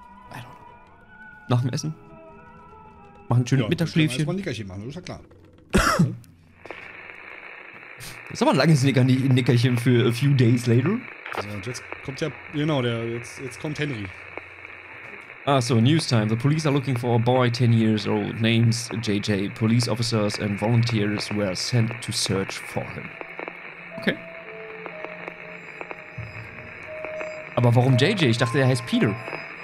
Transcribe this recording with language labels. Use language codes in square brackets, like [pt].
[en] I don't know. [de] Nach dem Essen. Machen ein schönes Mittagsschläfchen. Ja, Nickerchen machen, das ist ja klar. Das ist aber ein langes Nickerchen für [en] a few days later. [de] Also jetzt kommt ja, genau, jetzt kommt Henry. [en] Ah, so, news time. The police are looking for a boy 10 years old. Names JJ. Police officers and volunteers were sent to search for him. Okay. [de] Aber warum JJ? Ich dachte, er heißt Peter.